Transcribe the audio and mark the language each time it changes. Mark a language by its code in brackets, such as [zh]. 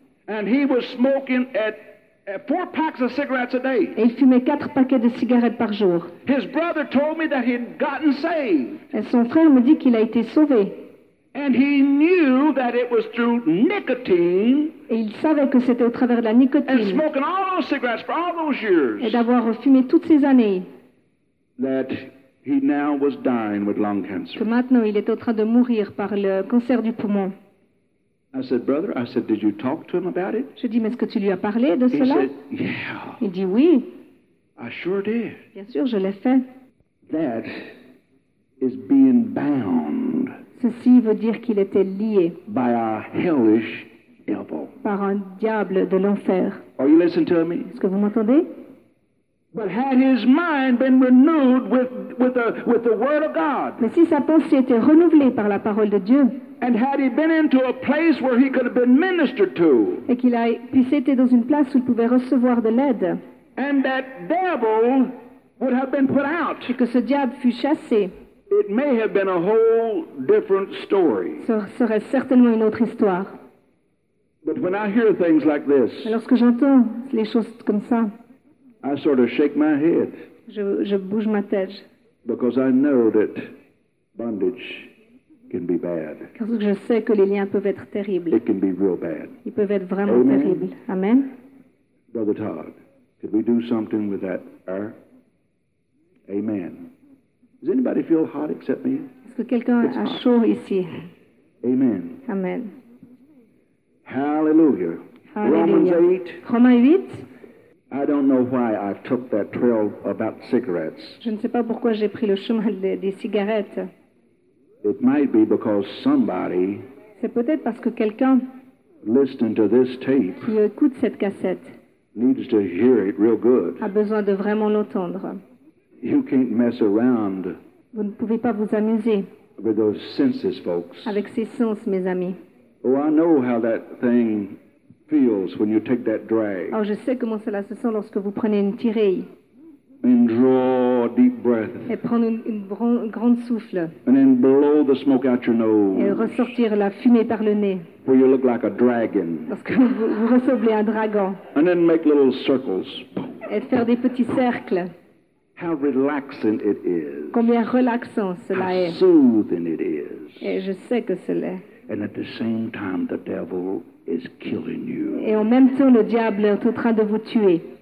[en] And he was smoking at 4 packs of cigarettes a day. [fr] Et il fumait 4 paquets de cigarettes par jour. [en] His brother told me that he'd gotten saved. [fr] Et son frère me dit qu'il a été sauvé. [en] And he knew that it was through nicotine. [fr] Et il savait que c'était au travers de la nicotine. [en] And smoking all those cigarettes for all those years. [fr] Et d'avoir fumé toutes ces années. [en] That he now was dying with lung cancer. [fr] Que maintenant il était en train de mourir par le cancer du poumon. [en] I said, brother. I said, did you talk to him about it? [fr] Je dis, mais est-ce que tu lui as parlé de cela? [en] He said, yeah. [fr] Il dit oui. [en] I sure did. [fr] Bien sûr, je l'ai fait. [en] That is being bound. [fr] Ceci veut dire qu'il était lié. [en] By a hellish devil. [fr] Par un diable de l'enfer. [en] Are you listening to me? [fr] Est-ce que vous m'entendez? [en] But had his mind been renewed with the word of God? [fr] Mais si sa pensée était renouvelée par la parole de Dieu. [en] And had he been into a place where he could have been ministered to? [fr] Et qu'il a puisse être dans une place où il pouvait recevoir de l'aide. [en] And that devil would have been put out. [fr] Et que ce diable fût chassé. [en] It may have been a whole different story. [fr] Ce serait certainement une autre histoire. [en] But when I hear things like this, [fr] mais lorsque j'entends les choses comme ça, [en] I sort of shake my head. [fr] Je bouge ma tête. [en] Because I know that bondage can be bad. [fr] Parce que je sais que les liens peuvent être terribles. [en] It can be real bad. [fr] Ils peuvent être vraiment terribles. Amen. [en] Brother Todd, could we do something with that air? Amen. Does anybody feel hot except me? [fr] Est-ce que quelqu'un a chaud ici? [en] Amen. [fr] Amen. [en] Hallelujah. [fr] Hallelujah. [en] Romans 8. I don't know why I took that trail about cigarettes. [fr] Je ne sais pas pourquoi j'ai pris le chemin des cigarettes. [en] It might be because somebody. [fr] C'est peut-être parce que quelqu'un. [en] Listening to this tape. [fr] Qui écoute cette cassette. [en] Needs to hear it real good. [fr] A besoin de vraiment l'entendre. [en] You can't mess around. [fr] Vous ne pouvez pas vous amuser. [en] With those senses, folks. [fr] Avec ces sens, mes amis. [en] Oh, I know how that thing feels when you take that drag. [fr] Oh, je sais comment cela se sent lorsque vous prenez une tirée. [en] And draw a deep breath. [fr] Et prendre une grande souffle. [en] And then blow the smoke out your nose. [fr] Et ressortir la fumée par le nez. [en] Where you look like a dragon. [fr] Parce que vous ressemblez à un dragon. [en] And then make little circles. [fr] Et faire des petits cercles. [en] How relaxing it is. [fr] Combien relaxant cela [en] How [fr] est. [en] How soothing it is. [fr] Et je sais que cela est. [en] And at the same time, the devil is killing you. [fr] Et en même temps, le diable est en train de vous tuer.